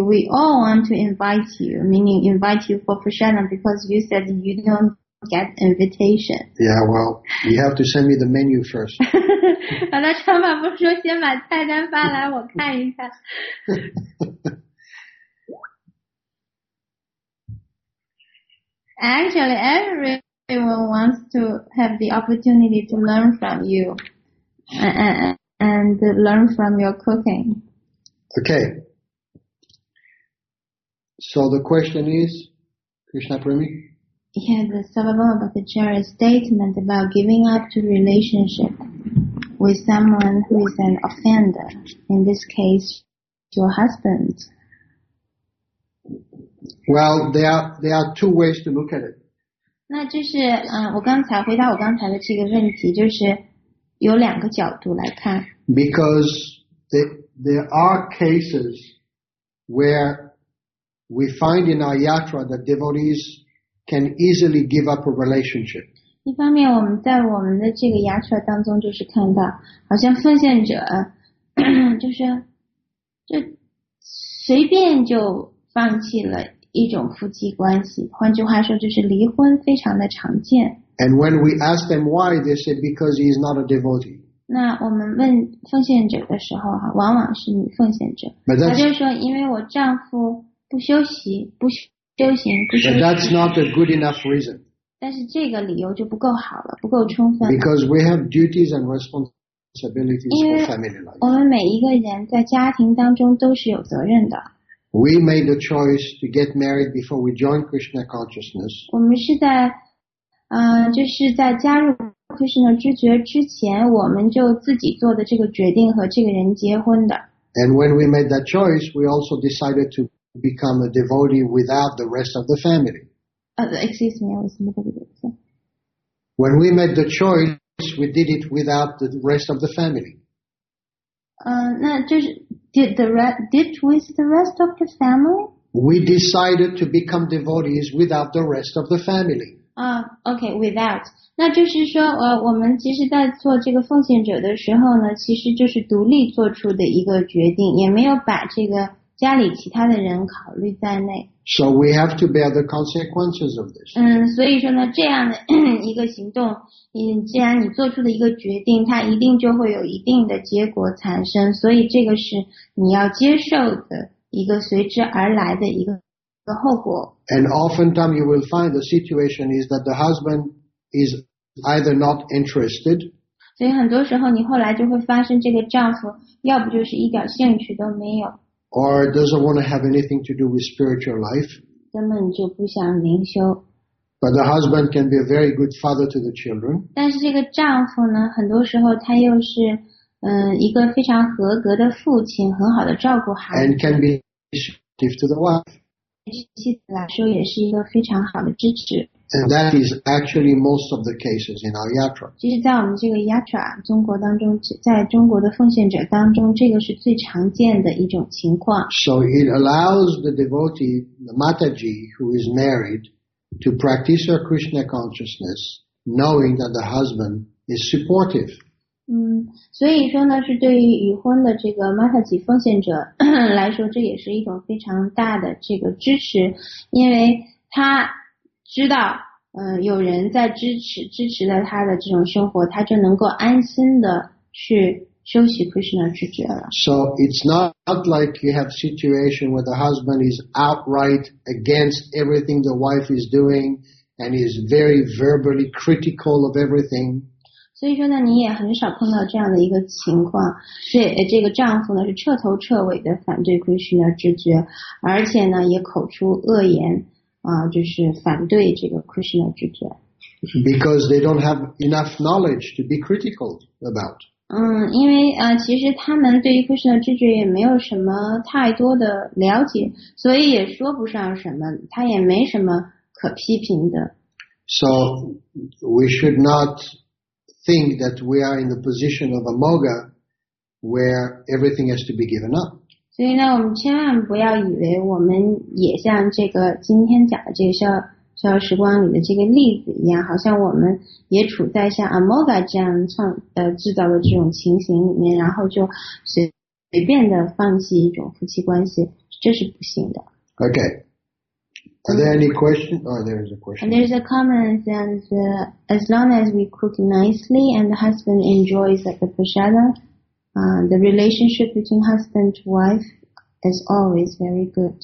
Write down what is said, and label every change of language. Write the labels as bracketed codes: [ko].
[en] We all want to invite you, meaning invite you for Prashanna because you said you don't get invitation. Yeah, well, you have to send me the menu first. [zh] 好的，陈法不说，先把菜单发来，我看一下。 [en] Actually, everyone wants to have the opportunity to learn from you and learn from your cooking. Okay. So the question is, Krishna Premi? Yeah, the Sarvabhauma Bhattacharya statement about giving up to relationship with someone who is an offender, in this case, your husband. Well, there are two ways to look at it. [zh] 那就是我刚才回答我刚才的这个问题，就是有两个角度来看。 [en] Because there are cases where we find in our yatra that devotees can easily give up a relationship. [zh] 一方面，我们在我们的这个 yatra 当中，就是看到好像奉献者就随便就放弃了。一种夫妻关系，换句话说就是离婚非常的常见。 [en] And when we ask them why, they say because he is not a devotee. [zh] 那我们问奉献者的时候哈，往往是女奉献者，她就说因为我丈夫不修习、不修行、不修行。 [en] But that's not a good enough reason. [zh] 但是这个理由就不够好了，不够充分。 [en] Because we have duties and responsibilities. responsibilities for family life. [zh] 我们每一个人在家庭当中都是有责任的。 [en] We made a choice to get married before we joined Krishna consciousness. [zh] 我们是在，就是在加入 Krishna 知觉之前，我们就自己做的这个决定和这个人结婚的。 [en] And when we made that choice, we also decided to become a devotee without the rest of the family. Excuse me, I was in the middle. When we made the choice, we did it without the rest of the family. [zh] 那就是。 [en] Did with the rest of the family? We decided to become devotees without the rest of the family. Okay, without. [zh] 那就是说，我们其实在做这个奉献者的时候呢，其实就是独立做出的一个决定，也没有把这个家里其他的人考虑在内。 [en] So we have to bear the consequences of this. [zh] 所以说呢，这样的一个行动，既然你做出的一个决定，它一定就会有一定的结果产生，所以这个是你要接受的一个随之而来的一个后果。 [en] And oftentimes you will find the situation is that the husband is either not interested. [zh] 所以很多时候你后来就会发现这个丈夫要不就是一点兴趣都没有。 [en] Or doesn't want to have anything to do with spiritual life. [zh] 根本就不想灵修。 [en] But the husband can be a very good father to the children. [zh] 但是这个丈夫呢，很多时候他又是，一个非常合格的父亲，很好的照顾孩子。 [en] And can be supportive to the wife. [zh] 妻子来说也是一个非常好的支持。 [en] And that is actually most of the cases in our yatra. [zh] 其实，在我们这个 yatra 中国当中，在中国的奉献者当中，这个是最常见的一种情况。 [en] So it allows the devotee, the mataji, who is married, to practice her Krishna consciousness, knowing that the husband is supportive. [zh] 所以说呢，是对于已婚的这个 mataji 奉献者来说，这也是一种非常大的这个支持，因为他。知道，有人在支持了他的这种生活，他就能够安心的去休息 Krishna 知觉了。 [en] So it's not like you have situation where the husband is outright against everything the wife is doing and is very verbally critical of everything. [zh] 所以说呢，你也很少碰到这样的一个情况，这个丈夫呢是彻头彻尾的反对 Krishna 知觉，而且呢也口出恶言。就是反对这个 Krishna 知觉。 [en] Because they don't have enough knowledge to be critical about. [zh] 因为其实他们对于 Krishna 知觉也没有什么太多的了解，所以也说不上什么，他也没什么可批评的。 [en] So we should not think that we are in the position of a moga where everything has to be given up. [zh] 所以呢，我们千万不要以为我们也像这个今天讲的这个逍遥时光里的这个例子一样，好像我们也处在像 Amoga 这样制造的这种情形里面，然后就随便的放弃一种夫妻关系，这是不行的。 [en] Okay. Are there any questions? Oh, there is a question. And there's a comment that as long as we cook nicely and the husband enjoys the prasada. The relationship between husband and wife is always very good.